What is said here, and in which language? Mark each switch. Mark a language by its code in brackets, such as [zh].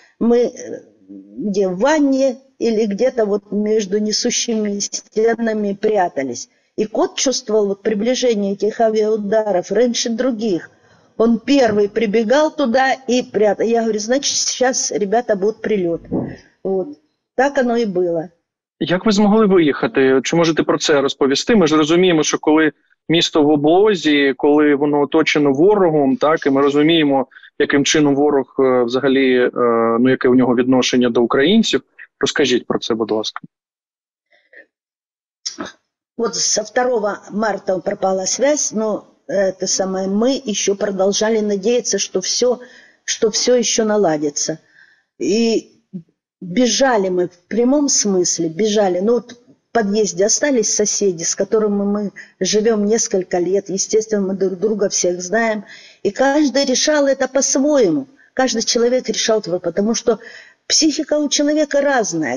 [ru] Мы где, в ванне или где-то вот между несущими стенами прятались. И кот чувствовал вот приближение этих авиаударов раньше других. Он первый прибегал туда и прятал. Я говорю, значит, сейчас, ребята, будет прилет. Вот. Так оно и было. [uk] Як ви змогли виїхати? Чи можете про це розповісти? Ми ж розуміємо, що коли місто в облозі, коли воно оточено ворогом, так, і ми розуміємо, яким чином ворог взагалі, ну, яке у нього відношення до українців. Розкажіть про це, будь ласка. От з 2 марта пропала зв'язь, ну, те саме, ми ще продовжували надіятися, що все ще наладиться. [ru] І бежали мы, в прямом смысле бежали. Ну, вот в подъезде остались соседи, с которыми мы живем несколько лет. Естественно, мы друг друга всех знаем. И каждый решал это по-своему. Каждый человек решал это, потому что психика у человека разная.